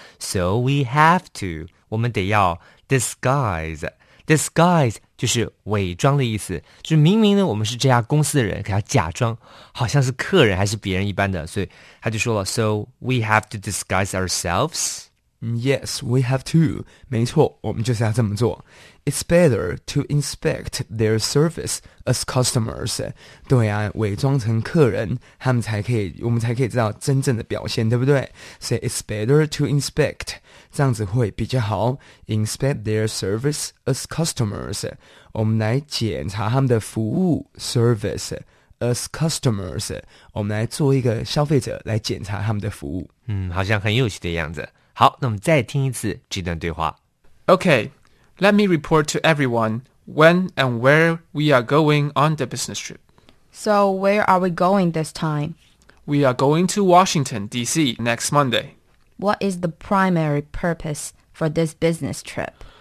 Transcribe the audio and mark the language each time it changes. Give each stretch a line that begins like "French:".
English: So we have to,
Chinese: 我们得要
English: disguise。
Chinese: Disguise 就是伪装的意思，就是明明呢我们是这家公司的人，可要假装好像是客人还是别人一般的，所以他就说了
English: So we have to disguise ourselves? Yes, we have to.
Chinese: 没错，我们就是要这么做。
English: It's better to inspect their service as customers.
Chinese: 对啊，伪装成客人，他们才可以，我们才可以知道真正的表现，对不对？所以
English: it's better to inspect.
Chinese: 这样子会比较好。
English: Inspect their service as customers.
Chinese: 我们来检查他们的服务
English: service. As customers,
Chinese: 我们来做一个消费者来检查他们的服务。嗯，好像很有趣的样子。好，那我们再听一次这段对话。
English: Okay, let me report to everyone when and where we are going on the business trip. So, where are we going this time? We are going to Washington, D.C. next Monday. What is the primary purpose for this business trip?